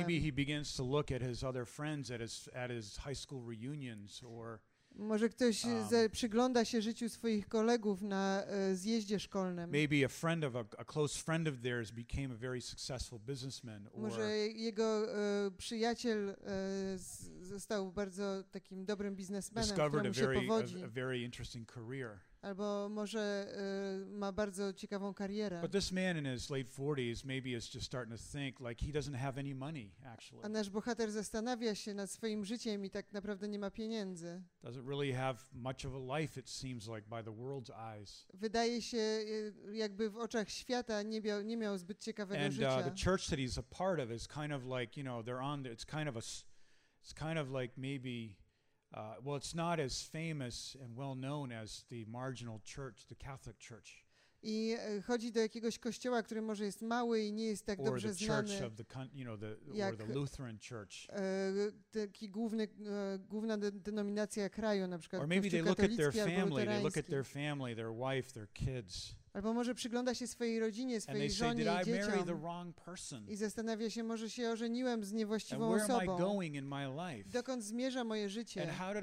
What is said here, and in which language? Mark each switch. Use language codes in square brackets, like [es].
[en] Maybe he begins to look at his other friends at his high school reunions or [pl] może ktoś przygląda się życiu swoich kolegów na zjeździe szkolnym. [en] Maybe a friend of a close friend of theirs became a very successful businessman or [pl] może jego przyjaciel został bardzo takim dobrym biznesmenem, [en] discovered a very interesting career. [pl] Albo może ma bardzo ciekawą karierę. [en] But this man in his late 40s maybe is just starting to think like he doesn't have any money actually. [pl] A nasz bohater zastanawia się nad swoim życiem i tak naprawdę nie ma pieniędzy. [en] Doesn't really have much of a life it seems like by the world's eyes. [pl] Wydaje się jakby w oczach świata nie miał zbyt ciekawego życia. [en] And the church that he's a part of is kind of like, you know, it's not as famous and well known as the marginal church, the Catholic church. [pl] I chodzi do jakiegoś kościoła, który może jest mały i nie jest tak [en] or [pl] dobrze [en] the church [pl] znany. [en] Of the or the Lutheran church. [pl] Taki główna denominacja kraju na przykład. [en] Or maybe they look at their family, their wife, their kids. [pl] Albo może przygląda się swojej rodzinie, swojej żonie i dzieciom i zastanawia się, może się ożeniłem z niewłaściwą osobą. Dokąd zmierza moje życie?